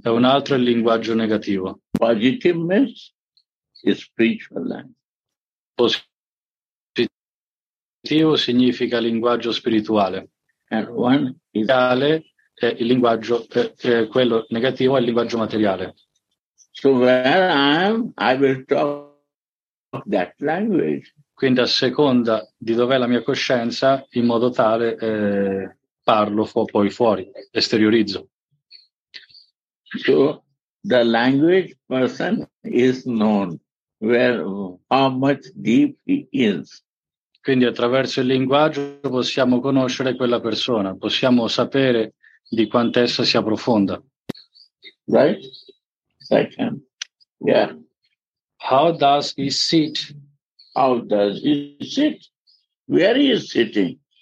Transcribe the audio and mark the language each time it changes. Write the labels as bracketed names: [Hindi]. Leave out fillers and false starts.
[Italian] E un altro è il linguaggio negativo. [English] Positive means spiritual language. [Italian] Positivo significa linguaggio spirituale. [English] And one is [Italian] tale, il linguaggio quello negativo è il linguaggio materiale. [English] So where I am, I will talk that language. [Italian] Quindi a seconda di dov'è la mia coscienza, in modo tale parlo poi fuori, esteriorizzo. [English] So the language person is known where how much deep he is. [Italian] Quindi attraverso il linguaggio possiamo conoscere quella persona, possiamo sapere di quant'essa sia profonda. [English] Right? Second. Yeah. How does he sit? How does he sit? Where is sitting?